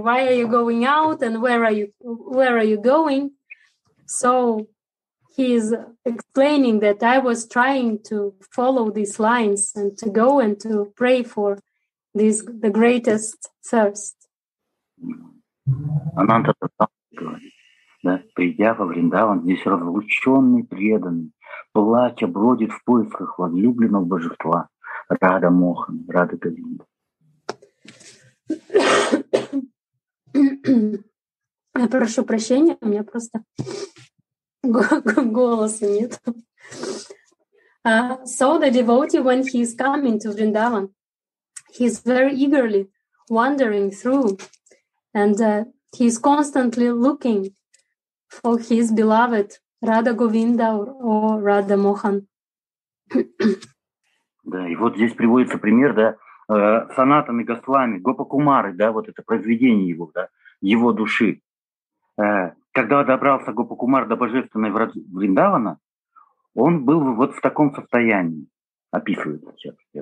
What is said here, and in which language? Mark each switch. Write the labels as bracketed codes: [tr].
[en] Why are you going out and where are you going? So he is explaining that I was trying to follow these lines and to go and to pray for this the greatest thirst. [ru] Ананта говорит, да, придя во Вриндаван, здесь разлученный, преданный, плача, бродит в поисках возлюбленного божества, Радха Мохан, Радха Говинда. Я прошу прощения, у меня просто голоса нет. [en] So the devotee, when he is coming to Vrindavan, he is very eagerly wandering through, and he is constantly looking for his beloved Radha Govinda or Radha Mohan. [ru] Да, и вот здесь приводится пример, да, Санатаны Госвами, Гопа Кумары, да, вот это произведение его, да, его души. Когда добрался Гопа Кумар до божественной Вриндавана, он был вот в таком состоянии, описывается сейчас.